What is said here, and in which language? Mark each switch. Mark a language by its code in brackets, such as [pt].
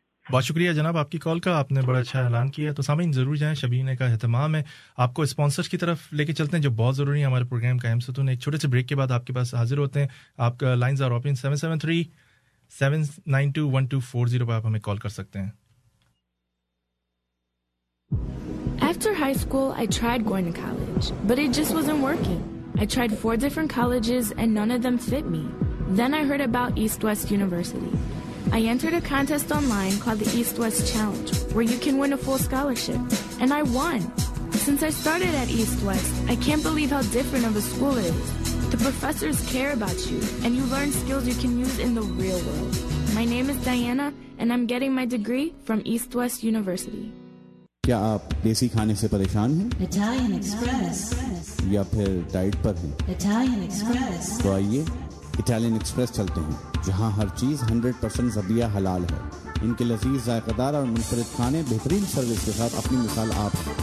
[ur] بہت شکریہ جناب آپ کی کال کا, آپ نے بڑا اچھا اعلان کیا. تو سامعین ضرور جائیں, شبینہ کا اہتمام ہے. آپ کو اسپانسرز کی طرف لے کے چلتے ہیں جو بہت ضروری ہیں ہمارے پروگرام کا اہم ستون. ایک چھوٹے سے بریک کے بعد آپ کے پاس حاضر ہوتے ہیں. آپ کا لائنز آر اوپن 773-792-1240 پہ آپ ہمیں کال کر سکتے ہیں. [en] After high school, I tried going to college, but it just wasn't working. I tried 4 different colleges and none of them fit me. Then I heard about East West University. I entered a contest online called the East West Challenge, where you can win a full scholarship, and I won. Since I started at East West, I can't believe how different of a school it is. The professors care about you, and you learn skills you can use in the real world. My name is Diana, and I'm getting my degree from East West University. [ur] کیا آپ دیسی کھانے سے پریشان ہیں [en] Italian Express. [ur] یا پھر diet پر ہیں [en] Italian Express. [ur] تو آئیے اٹالین ایکسپریس چلتے ہیں, جہاں ہر چیز 100% ذبیحہ حلال ہے. ان کے لذیذ ذائقہ دار اور منفرد کھانے بہترین سروس کے ساتھ اپنی مثال آپ ہیں.